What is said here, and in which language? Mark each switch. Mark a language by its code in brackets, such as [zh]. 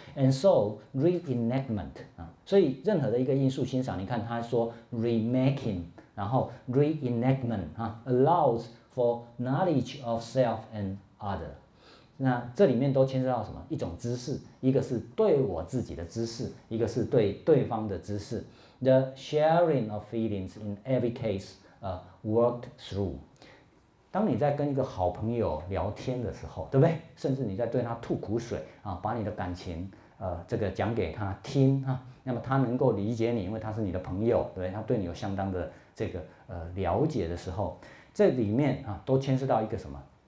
[en] And so reenactment [zh] 啊，所以任何的一个艺术欣赏，你看他说 remaking， 然后 reenactment 啊 [en] allows for knowledge of self and other。 [zh] 那这里面都牵涉到什么？一种知识，一个是对我自己的知识，一个是对对方的知识。 [en] The sharing of feelings in every case, worked through。 [zh] 当你在跟一个好朋友聊天的时候，对不对？甚至你在对他吐苦水啊，把你的感情这个讲给他听啊，那么他能够理解你，因为他是你的朋友，对不对？他对你有相当的这个了解的时候，这里面啊都牵涉到一个什么？